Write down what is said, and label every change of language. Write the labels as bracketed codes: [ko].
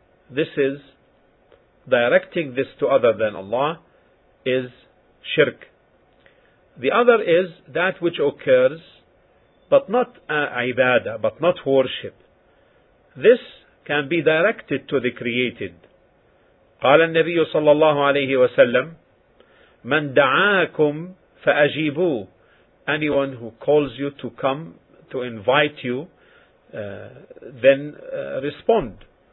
[en] This is directing this to other than Allah, is shirk. The other is that which occurs, but not ibadah, but not worship. This can be directed to the created. [ar] قال النبي صلى الله عليه وسلم, من دعاكم فأجيبوا. [en] Anyone who calls you to come, to invite you, then respond.